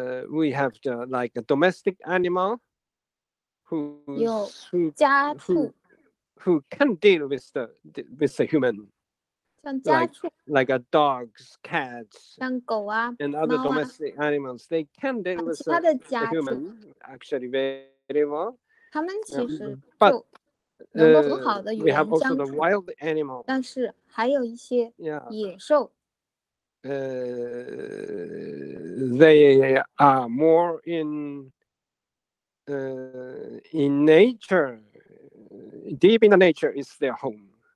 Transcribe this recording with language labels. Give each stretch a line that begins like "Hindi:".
English: we have the like a domestic animal who can deal with the human.
Chinese: 像家畜,
English: like a dogs, cats,
Chinese: 像狗啊,
English: and other
Chinese: 猫啊,
English: domestic animals. They can deal with the human actually very well.
Chinese: 他们其实就能够很好的与人相处，但是还有一些野兽。
English: They are more in in nature, deep in the nature is their home.